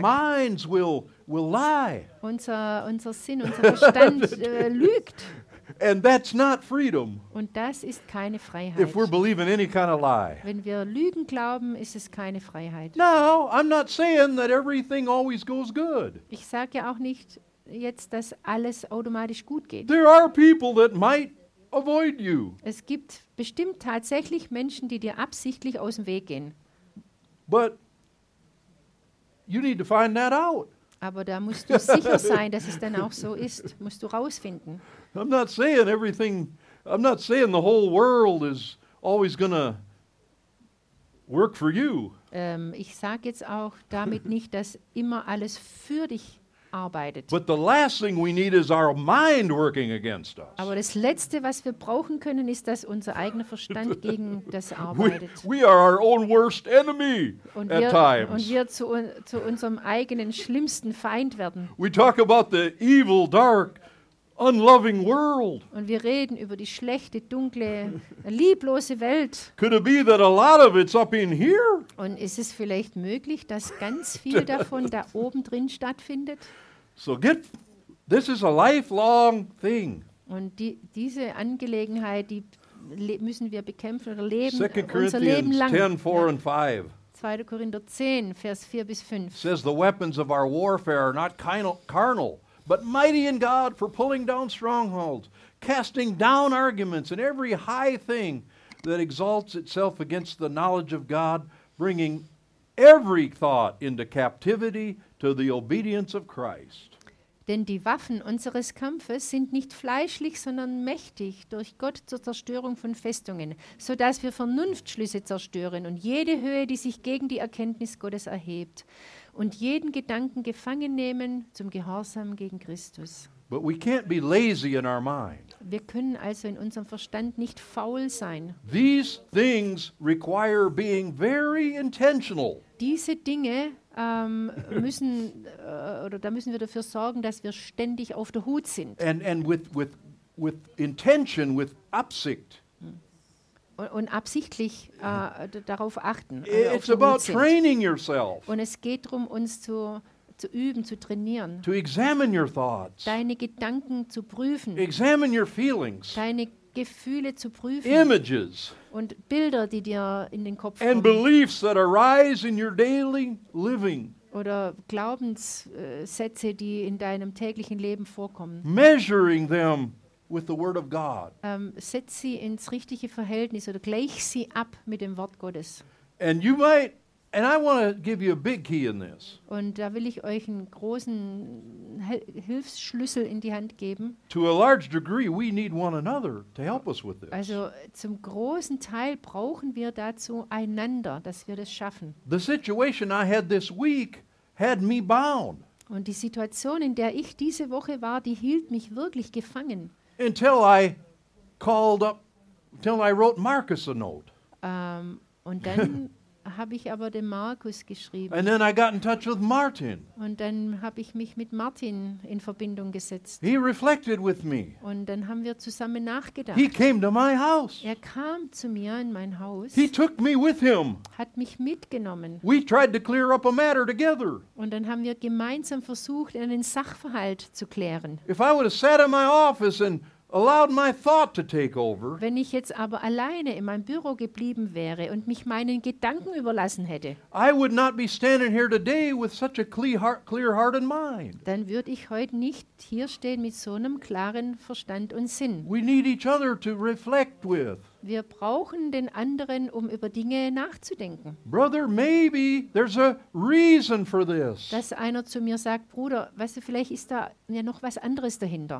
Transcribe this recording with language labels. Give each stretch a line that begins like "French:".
English: Our minds will lie.
German: Unser Sinn, unser Verstand lügt.
English: And that's not freedom.
German: Und das ist keine Freiheit.
English: If we're believing any kind of lie.
German: Wenn wir Lügen glauben, ist es keine Freiheit.
English: No, I'm not saying that everything always goes good.
German: Ich sage ja auch nicht jetzt, dass alles automatisch gut geht.
English: There are people that might avoid you.
German: Es gibt bestimmt tatsächlich Menschen, die dir absichtlich aus dem Weg gehen.
English: But you need to find that out.
German: Aber da musst du sicher sein, dass es dann auch so ist. Musst du rausfinden.
English: I'm not saying everything. I'm not saying the whole world is always gonna work for you.
German: Ich sage jetzt auch damit nicht, dass immer alles für dich arbeitet.
English: But the last thing we need is our mind working against us.
German: Aber das Letzte, was wir brauchen können, ist, dass unser eigener Verstand gegen das arbeitet.
English: We are our own worst enemy at times.
German: Und wir zu unserem eigenen schlimmsten Feind werden.
English: We talk about the evil, dark, unloving world.
German: Und wir reden über die schlechte, dunkle, lieblose Welt.
English: Could it be that a lot of it's up in here?
German: Und ist es vielleicht möglich, dass ganz viel davon da oben drin stattfindet?
English: So get, this is a lifelong thing.
German: Und diese Angelegenheit, die müssen wir bekämpfen oder leben unser Leben lang.
English: 2 Corinthians 10:4-5.
German: 2. Korinther 10, Vers 4 bis 5.
English: Says the weapons of our warfare are not carnal, but mighty in God for pulling down strongholds, casting down arguments and every high thing that exalts itself against the knowledge of God, bringing every thought into captivity to the obedience of Christ.
German: Denn die Waffen unseres Kampfes sind nicht fleischlich, sondern mächtig durch Gott zur Zerstörung von Festungen, so dass wir Vernunftschlüsse zerstören und jede Höhe, die sich gegen die Erkenntnis Gottes erhebt, und jeden Gedanken gefangen nehmen zum Gehorsam gegen Christus.
English: But we can't be lazy in our mind.
German: Wir können also in unserem Verstand nicht faul sein.
English: These things require being very intentional.
German: Diese Dinge müssen oder da müssen wir dafür sorgen, dass wir ständig auf der Hut sind.
English: And with intention, with Absicht.
German: Und absichtlich darauf achten.
English: It's about training yourself.
German: Und es geht darum, uns zu üben, zu trainieren.
English: To examine your thoughts.
German: Deine Gedanken zu prüfen.
English: Examine your feelings.
German: Deine Gefühle zu prüfen.
English: Images.
German: Und Bilder, die dir in den Kopf kommen.
English: And beliefs that arise in your daily living.
German: Oder Glaubenssätze, die in deinem täglichen Leben vorkommen.
English: Measuring them with the word of God.
German: Setz sie ins richtige Verhältnis oder gleich sie ab mit dem Wort Gottes.
English: And you might, and I want to give you a big key in this.
German: Und da will ich euch einen großen Hilfsschlüssel in die Hand geben.
English: To a large degree, we need one another to help us with this.
German: Also zum großen Teil brauchen wir dazu einander, dass wir das schaffen.
English: The situation I had this week had me bound.
German: Und die Situation, in der ich diese Woche war, die hielt mich wirklich gefangen.
English: Until I wrote Marcus a note.
German: Und dann habe ich aber dem Markus geschrieben.
English: And then I got in touch with Martin.
German: Und dann habe ich mich mit Martin in Verbindung gesetzt.
English: He reflected with me.
German: Und dann haben wir zusammen nachgedacht.
English: He came to my house.
German: Er kam zu mir in mein Haus.
English: He took me with him.
German: Hat mich mitgenommen.
English: We tried to clear up a matter together.
German: Und dann haben wir gemeinsam versucht, einen Sachverhalt zu klären.
English: If I would have sat in my office and allowed my thought to take over.
German: Wenn ich jetzt aber alleine in meinem Büro geblieben wäre und mich meinen Gedanken überlassen hätte,
English: I would not be standing here today with such a clear heart and mind.
German: Dann würde ich heute nicht hier stehen mit so einem klaren Verstand und Sinn.
English: We need each other to reflect with.
German: Wir brauchen den anderen, um über Dinge nachzudenken.
English: Brother, maybe there's a reason for this.
German: Dass einer zu mir sagt, Bruder, weißt du, vielleicht ist da ja noch was anderes dahinter.